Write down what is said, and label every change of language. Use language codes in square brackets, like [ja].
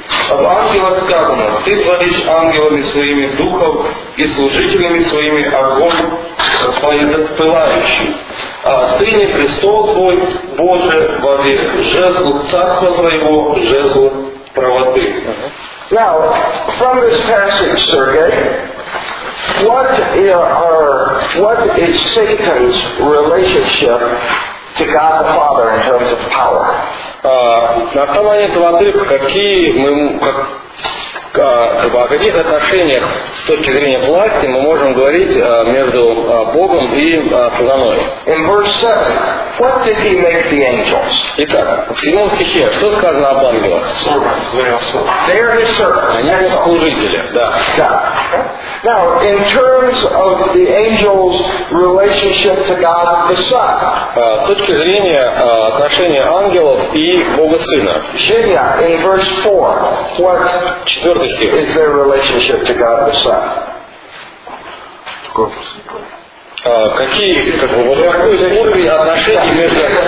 [ru] Об ангелах сказано, ты творишь ангелами своими духов и служителями своими огонь пылающий. А сыне престол твой, Боже, вовек, жезлу царства твоего, жезлу правоты. [en] Now, from this passage, Sergei, what is Satan's relationship to God the Father in terms of power? [ru] На основании этого отрывка, какие отношения с точки зрения власти мы можем говорить между Богом и Сатаной? [en] In verse 7, what did he make the angels? [ru] Итак, в 7 стихе, что сказано об ангелах? [en] They are his servants. [ru] Они его служители, да. [en] Now, in terms of the angels' relationship to God the Son. [ru] С точки зрения отношения ангелов и Бога Сына. [en] Genia, in verse 4, what is their relationship to God the Son? [ru] Какие, как бы, какой уровень отношений между...